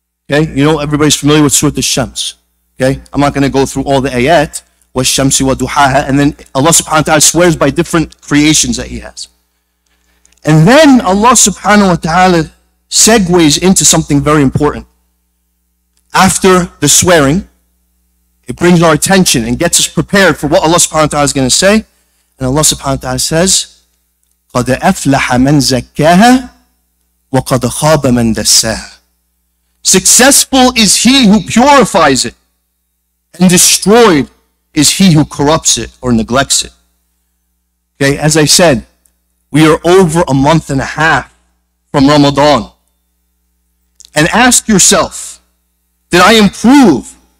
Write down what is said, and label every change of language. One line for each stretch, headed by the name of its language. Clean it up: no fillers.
English: Okay, you know, everybody's familiar with Surah Al-Shams. Okay, I'm not going to go through all the ayat,
Arabic: وَالشَّمْسِ وَدُحَاهَا,
English: and then Allah subhanahu wa ta'ala swears by different creations that He has. And then Allah subhanahu wa ta'ala segues into something very important. After the swearing, it brings our attention and gets us prepared for what Allah subhanahu wa ta'ala is going to say. And Allah subhanahu wa ta'ala says,
Arabic: قَدْ أَفْلَحَ مَنْ زَكَّاهَا وَقَدْ خَابَ مَنْ دَسَّاهَا.
English: Successful is he who purifies it, and destroyed is he who corrupts it or neglects it. Okay, as I said, we are over a month and a half from Ramadan. And ask yourself, did I improve?